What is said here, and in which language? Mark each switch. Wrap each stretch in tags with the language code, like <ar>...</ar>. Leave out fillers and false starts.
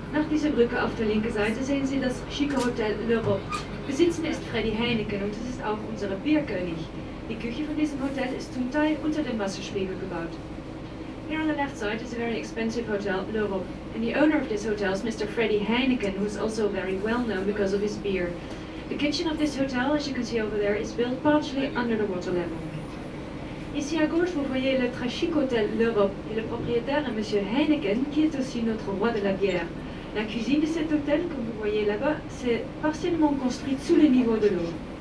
<de>diese Brücke auf der linken Seite sehen Sie das schicke Hotel Le Rob. Besitzen ist Freddy Heineken und das ist auch unsere Bierkönig. Die Küche von diesem Hotel ist zum Teil unter dem Wasserspiegel gebaut.</de> <en>Here on the left side is a very expensive hotel, Le Rob. And the owner of this hotel is Mr. Freddy Heineken, who is also very well known because of his beer. The kitchen of this hotel, as you can see over there, is built partially under the water level.</en> <fr>Ici à gauche, vous voyez le très chic hôtel L'Europe et le propriétaire est Monsieur Heineken, qui est aussi notre roi de la bière. La cuisine de cet hôtel, comme vous voyez là-bas, s'est partiellement construite sous le niveau de l'eau.</fr>